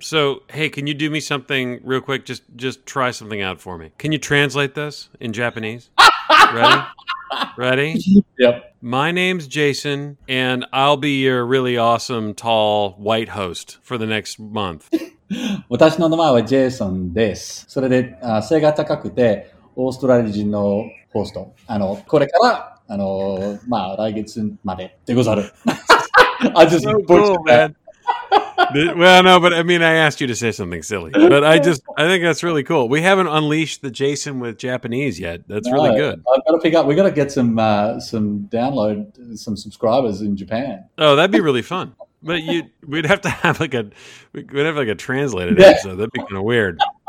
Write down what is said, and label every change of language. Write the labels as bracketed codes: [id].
[en] So, hey, can you do me something real quick? Just try something out for me. Can you translate this in Japanese? Ready? Yep. My name's Jason, and I'll be your really awesome, tall, white host for the next month. [ja] 私の名前はジェイソンです。それで、背が高くて、オーストラリア人のホスト。これから、来月までってござる。 [en] I just so butchered cool, man. Well, no, but I mean, I asked you to say something silly, but I think that's really cool. We haven't unleashed the Jason with Japanese yet. That's really good. I've got to pick up. We got to get some subscribers in Japan. Oh, that'd be really fun. But we'd have to have like a translated episode. That'd be kind of weird.